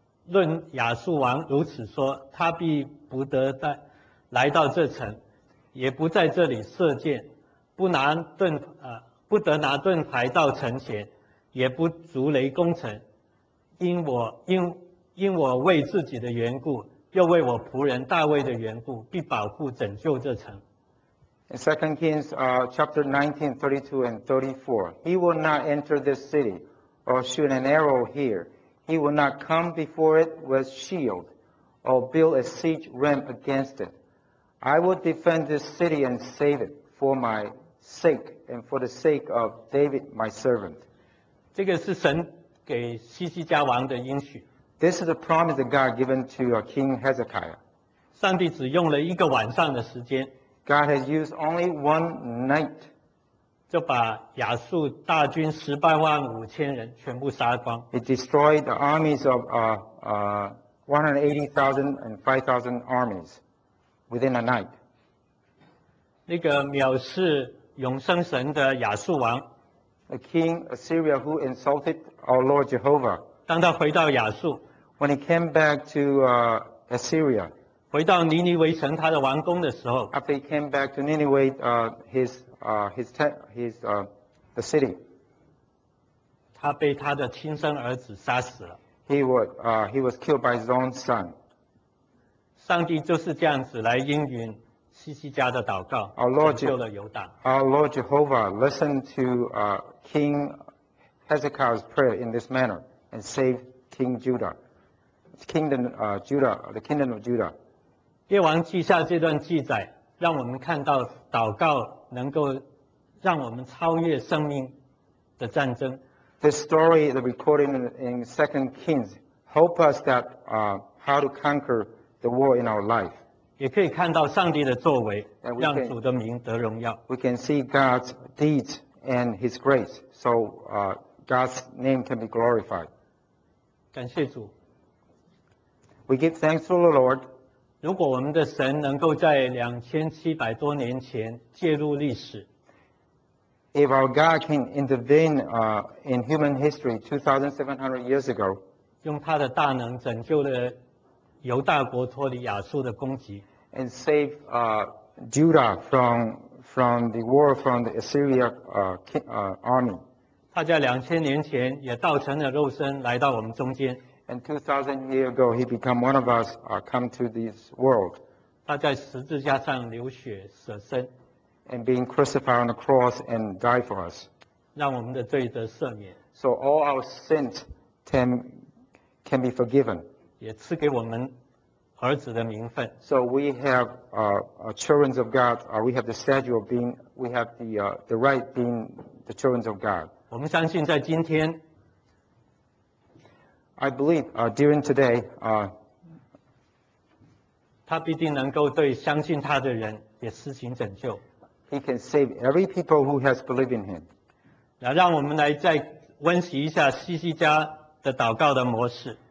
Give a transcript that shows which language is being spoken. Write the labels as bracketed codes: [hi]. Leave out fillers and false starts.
[zh] 论亚述王如此说，他必不得再来到这城，也不在这里射箭，不得拿盾牌到城前，也不筑垒攻城，因我为自己的缘故，又为我仆人大卫的缘故，必保护拯救这城。 [en] In 2 Kings chapter 19, 32 and 34, he will not enter this city or shoot an arrow here. He will not come before it with shield or build a siege ramp against it. I will defend this city and save it for my sake and for the sake of David, my servant. [zh] 这个是神给西西家王的应许。 [en] This is a promise that God given to King Hezekiah. [zh] 上帝只用了一个晚上的时间。 [en] God has used only one night. [zh] 就把亚述大军十八万五千人全部杀光。 [en] He destroyed the armies of 180,000 and 5,000 armies within a night. [zh] 那个藐视永生神的亚述王。 [en] A king Assyria who insulted our Lord Jehovah. [zh] 当他回到亚述。 [en] When he came back to Assyria. [zh] 回到尼尼微城他的王宫的时候。 [en] After he came back to Nineveh, the city. [zh] 他被他的亲生儿子杀死了。 [en] He was killed by his own son. [zh] 上帝就是这样子来应允西西家的祷告，拯救了犹大。 [en] Our Lord Jehovah listened to King Hezekiah's prayer in this manner and saved King Judah. The kingdom of Judah. [zh] 列王记下这段记载，让我们看到祷告能够让我们超越生命的战争。 [en] This story, the recording in 2 Kings, help us that how to conquer the war in our life. [zh] 也可以看到上帝的作为，让主的名得荣耀。 [en] We can see God's deeds and His grace, so God's name can be glorified. [zh] 感谢主。 [en] We give thanks to the Lord. [zh] 如果我们的神能够在2700多年前介入历史， [en] If our God can intervene in human history 2,700 years ago, [zh] 用他的大能拯救了犹大国脱离亚述的攻击， [en] and save Judah from the war from the Assyria army. [zh] 他在2000年前也道成了肉身来到我们中间。 [en] And 2,000 years ago, he became one of us, come to this world. [zh] 他在十字架上流血舍身。 [en] And being crucified on the cross and died for us. [zh] 让我们的罪得赦免。 [en] So all our sins can be forgiven. [zh] 也赐给我们儿子的名分。 [en] So we have children of God. We have the statue of being. We have the right being the children of God. [zh] 我们相信在今天。 [en] I believe during today, [zh] 他必定能够对相信他的人也施行拯救。 [en] He can save every people who has believed in him. [zh] 来，让我们来再温习一下西西家的祷告的模式。